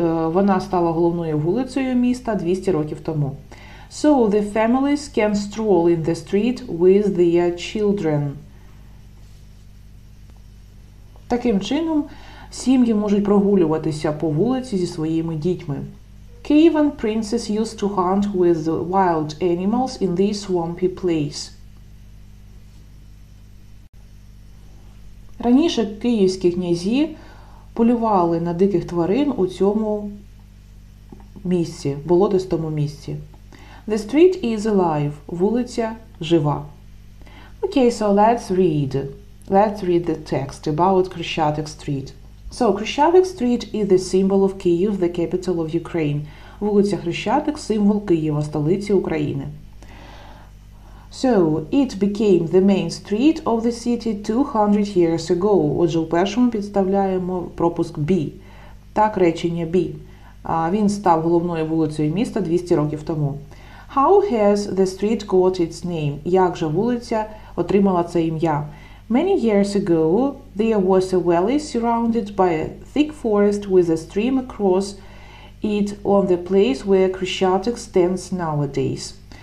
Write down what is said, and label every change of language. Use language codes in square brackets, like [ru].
[uk] Вона стала головною вулицею міста 200 років тому. [en] So the families can stroll in the street with their children. [uk] Таким чином, сім'ї можуть прогулюватися по вулиці зі своїми дітьми. [en] Kievan princes used to hunt with wild animals in this swampy place. [uk] Раніше київські князі полювали на диких тварин у цьому місці, болотистому місці. [en] The street is alive. [uk] Вулиця жива. [en] Okay, so let's read. Let's read the text about Khrushchev Street. So, Khrushchev Street is the symbol of Kyiv, the capital of Ukraine. [uk] Вулиця Хрещатик – символ Києва, столиці України. [en] So, it became the main street of the city 200 years ago. [uk] Отже, у першому підставляємо пропуск B. Так, речення B. Він став головною вулицею міста 200 років тому. [en] How has the street got its name? [uk] Як же вулиця отримала це ім'я? [en] Many years ago, there was a valley surrounded by a thick forest with a stream across it on the place where Khrushchev stands nowadays.